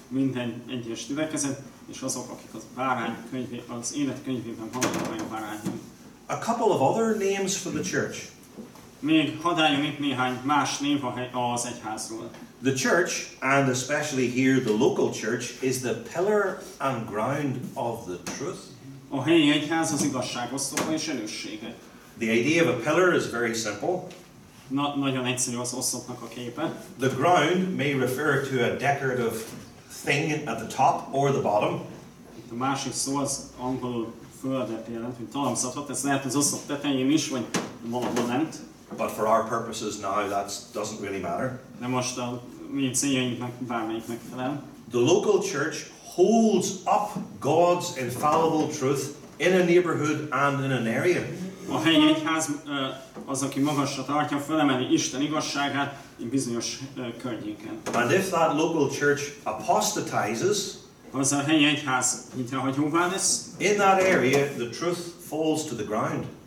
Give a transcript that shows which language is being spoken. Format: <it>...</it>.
<hu>Minden egyes gyülekezet és azok, akik az bárány könyvé, az élet könyvében vannak a bárány.</hu> <en>A couple of other names for the church.</en> <hu>Még hadd álljon itt néhány más név az egyházról.</hu> <en>The church, and especially here the local church, is the pillar and ground of the truth.</en> <hu>A helyi egyház az igazság oszlopa és erőssége.</hu> <en>The idea of a pillar is very simple.</en> <hu>Not nagyon egyszerű az oszlopnak a képe.</hu> <en>The ground may refer to a decorative thing at the top or the bottom.</en> <hu>A másik szó az angolul földet jelent, mint talamszatot. Ez lehet az oszlop tetején is, vagy valahol lent.</hu> <en>But for our purposes now, that doesn't really matter.</en> <hu>De most a mi céljainknak bármelyik megfelel.</hu> <en>The local church holds up God's infallible truth in a neighborhood and in an area.</en> <hu>A helyi egyház az, aki magasra tartja, felemeli Isten igazságát egy bizonyos környéken.</hu> <en>And if that local church apostatizes,</en> <hu>az a helyi egyház hitelhagyóvá lesz,</hu> <en>in that area the truth falls to the ground.</en>